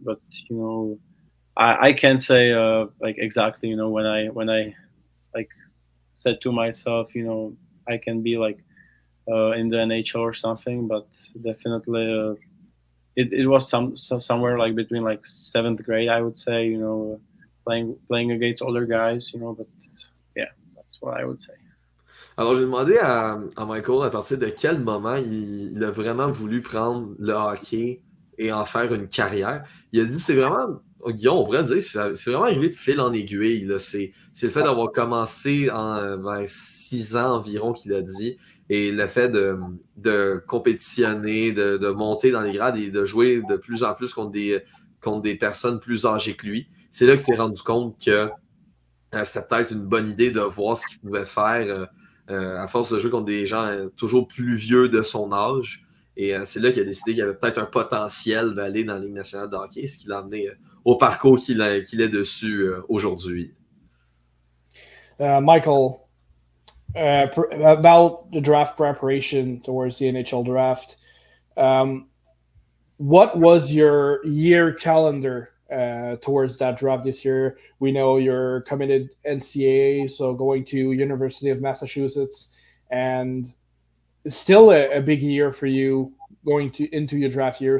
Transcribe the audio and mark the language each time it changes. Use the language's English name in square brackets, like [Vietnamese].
[English] But, you know, I can't say like exactly, you know, when I like said to myself, you know, I can be like in the NHL or something. But definitely it was somewhere like between like seventh grade, I would say, you know, playing against older guys, you know. But yeah, that's what I would say. [French] Alors, j'ai demandé à Michael à partir de quel moment il a vraiment voulu prendre le hockey et en faire une carrière. Il a dit, c'est vraiment, Guillaume, on pourrait dire, c'est vraiment arrivé de fil en aiguille. Là. C'est le fait d'avoir commencé en 6 ans environ, qu'il a dit, et le fait de compétitionner, de monter dans les grades et de jouer de plus en plus contre des personnes plus âgées que lui. C'est là qu'il s'est rendu compte que c'était peut-être une bonne idée de voir ce qu'il pouvait faire à force de jouer contre des gens toujours plus vieux de son âge. Et c'est là qu'il a décidé qu'il y avait peut-être un potentiel d'aller dans la Ligue nationale de hockey, ce qui l'a amené au parcours qu'il est dessus aujourd'hui. [English] Michael, about the draft preparation towards the NHL draft, what was your year calendar towards that draft this year? We know you're committed NCAA, so going to University of Massachusetts, and it's still a big year for you going into your draft year.